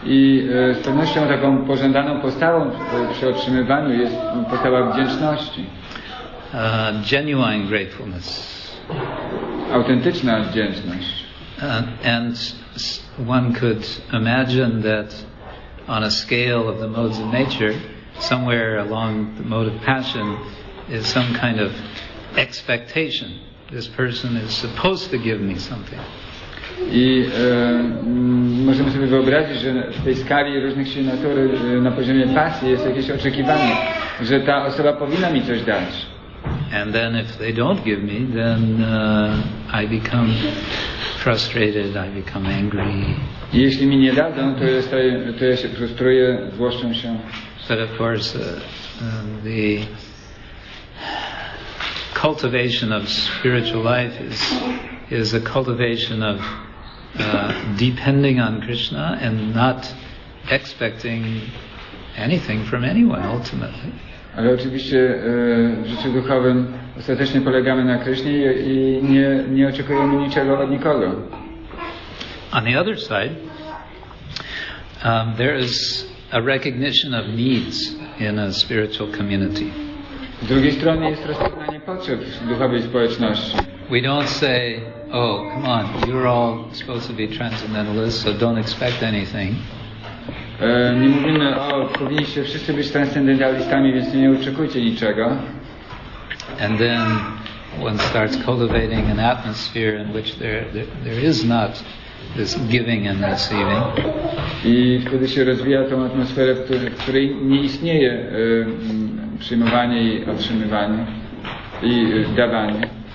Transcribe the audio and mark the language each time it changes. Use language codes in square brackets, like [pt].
[pl] I z pewnością taką pożądaną postawą przy otrzymywaniu jest postawa wdzięczności. [en] Genuine gratefulness. [pl] Autentyczna wdzięczność. [en] And one could imagine that on a scale of the modes of nature, somewhere along the mode of passion is some kind of expectation. This person is supposed to give me something. [pl] I możemy sobie wyobrazić, że w tej skali różnych sił natury na poziomie pasji jest jakieś oczekiwanie, że ta osoba powinna mi coś dać. [en] And then if they don't give me, then I become frustrated, I become angry. [pl] Jeśli mi nie dadzą, to ja się frustruję, złoszczę się. [en] But of course, the cultivation of spiritual life is a cultivation of depending on Krishna and not expecting anything from anyone ultimately. [pl] Ale oczywiście w życiu duchowym ostatecznie polegamy na Krishnie i nie oczekujemy niczego od nikogo. [en] On the other side, there is a recognition of needs in a spiritual community. [pl] Z drugiej strony jest rozpoznanie potrzeb w duchowej społeczności. [en] We don't say, oh, come on, you're all supposed to be transcendentalists, so don't expect anything. [pl] Nie mówimy, o, powinniście wszyscy być transcendentalistami, więc nie oczekujcie niczego. [en] And then one starts cultivating an atmosphere in which there is not this giving and receiving. [pl] I wtedy się rozwija tą atmosferę, w której nie istnieje przyjmowanie i otrzymywanie i dawanie.